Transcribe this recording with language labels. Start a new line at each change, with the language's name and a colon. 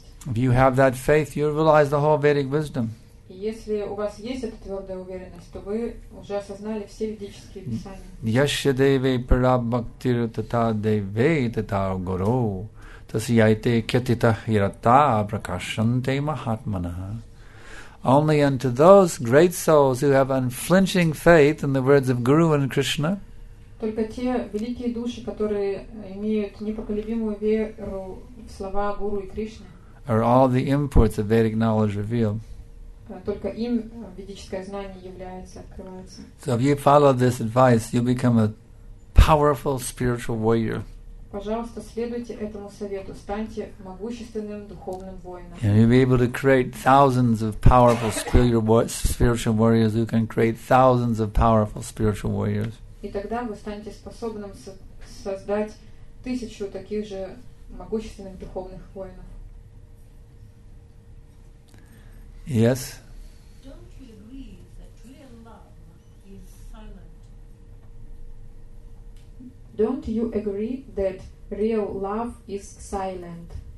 English: If you have that faith, you realize the whole Vedic wisdom.
Russian: Если у вас есть эта твердая уверенность, то вы уже осознали все ведические писания.
Sanskrit: Яшья деве парабхактир тата деве тата гуру тасьяйте кетита хирата пракашанте махатманаха.
English: Only unto those great souls who have unflinching faith in the words of Guru and Krishna.
Russian: Только те великие души, которые имеют непоколебимую веру в слова Гуру и Кришны.
English: Are all the imports of Vedic knowledge revealed.
Russian: Только им ведическое знание является, открывается.
English: So if you follow this advice, you'll become a powerful spiritual warrior.
Russian: Пожалуйста, следуйте этому совету, станьте могущественным духовным воином.
English: And you'll be able to create thousands of powerful spiritual warriors who can create thousands of powerful spiritual warriors.
Russian: И тогда вы станете способным создать тысячу таких же могущественных духовных воинов.
English: Yes. Don't you agree that real love is silent? Don't you agree that real love is silent?